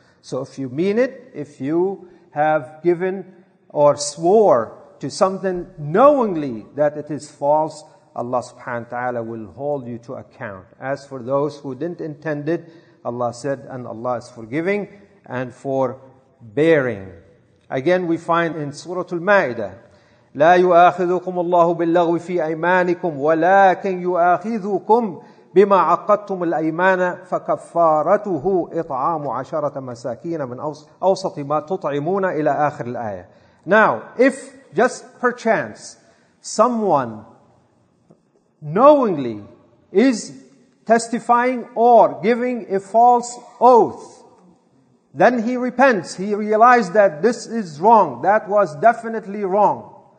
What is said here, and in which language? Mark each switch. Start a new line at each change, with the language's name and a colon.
English: So if you mean it, if you have given or swore to something knowingly that it is false, Allah subhanahu wa ta'ala will hold you to account. As for those who didn't intend it, Allah said, and Allah is forgiving and forbearing. Again, we find in Surah Al-Ma'idah,
Arabic: لَا يُؤَاخِذُكُمُ اللَّهُ بِاللَّغْوِ فِي أَيْمَانِكُمْ وَلَكِنْ يُؤَاخِذُكُمْ بِمَا عَقَّدْتُمُ الْأَيْمَانَ فَكَفَّارَتُهُ إِطْعَامُ عَشَرَةَ مَسَاكِينَ مِنْ أَوْسَطِ مَا تُطْعِمُونَ إِلَىٰ آخِرِ الْآيَةِ.
English: Now, if just perchance someone knowingly is testifying or giving a false oath, then he repents. He realized that this is wrong. That was definitely wrong.